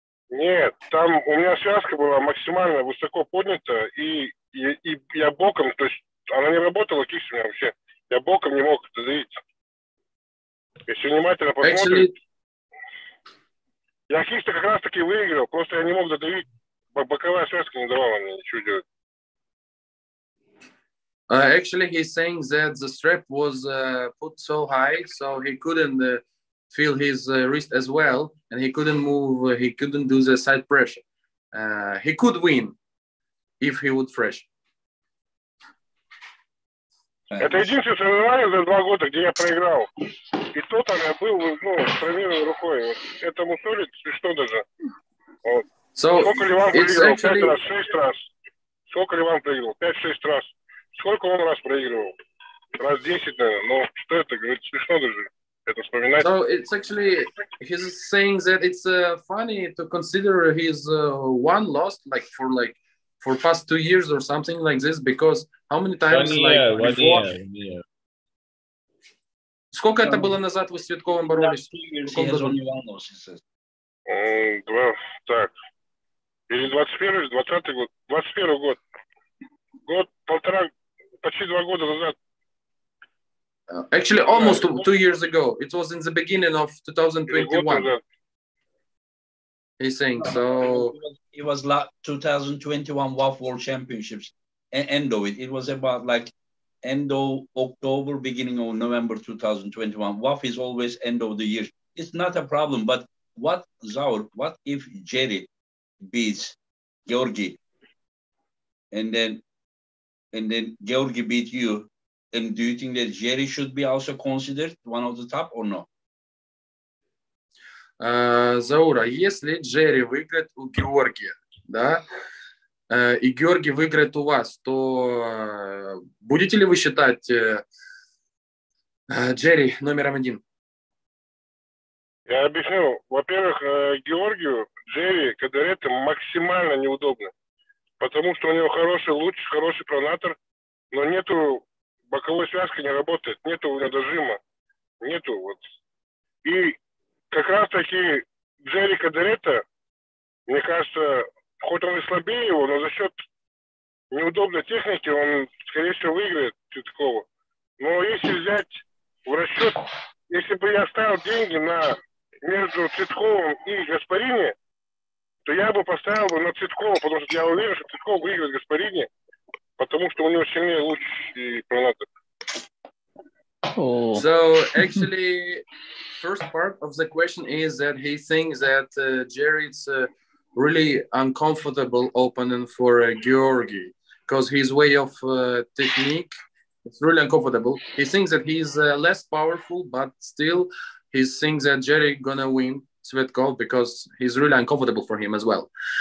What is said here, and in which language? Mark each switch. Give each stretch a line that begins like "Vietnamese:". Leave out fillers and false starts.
Russian: Нет, там у меня связка была максимально высоко поднята, и я боком, то есть она не работала, кисть у меня вообще. Я боком не мог это давить. Если внимательно посмотреть.
English: Actually...
Russian: Я кисть как раз-таки выиграл, просто я не мог задавить. Боковая связка не давала мне ничего делать.
English: Actually, he's saying that the strap was put so high, so he couldn't feel his wrist as well, and he couldn't move, he couldn't do the side pressure. He could win if he would fresh.
Russian: Это единственное соревнование за два года, где я проиграл. И то там я был, ну, с тренированной рукой. Это мусорит, что даже. Вот.
English: So,
Russian: сколько ли вам проиграл? Пять раз, шесть раз. Сколько ли вам проиграл? Пять-шесть раз. Сколько он раз проигрывал? Раз десять, наверное. Но что это, говорит, смешно даже. Это вспоминать.
English: So, it's actually, he's saying that it's funny to consider his one loss, like, for, like, for past 2 years or something like this, because how many times, one year, like, before? One year.
Russian: Сколько это было назад вы с Цветковым боролись?
English: Two years, he has only one loss, he says.
Russian: Два, так. Или 21-й, 20-й год. 21-й год. Год, полтора, почти два года назад.
English: Actually, almost 2 years ago. It was in the beginning of 2021. He's saying so. It was like 2021 WAF World Championships, end of it. It was about like end of October, beginning of November 2021. WAF is always end of the year. It's not a problem. But what, Zaur, what if Jerry beats Georgi and then Georgi beat you? And do you think that Jerry should be also considered one of the top or no?
Russian: Заура, если Джерри выиграет у Георгия, да, и Георгий выиграет у вас, то будете ли вы считать Джерри номером один? Я объясню. Во-первых, Георгию Джерри Кадерета максимально неудобно, потому что у него хороший луч, хороший пронатор, но нету боковой связки, не работает, нету у него дожима, нету вот. И как раз таки Джерри Кадерета, мне кажется, хоть он и слабее его, но за счет неудобной техники он, скорее всего, выиграет Цветкова. Но если взять в расчет, если бы я ставил деньги на между Цветковым и Гаспарини, то я бы поставил на Цветкова, потому что я уверен, что Цветков выиграет Гаспарини, потому что у него сильнее луч и пронатор.
English: So, actually, first part of the question is that he thinks that Jerry's really uncomfortable opening for Georgi, because his way of technique is really uncomfortable. He thinks that he's less powerful, but still he thinks that Jerry gonna win Svetkov because he's really uncomfortable for him as well.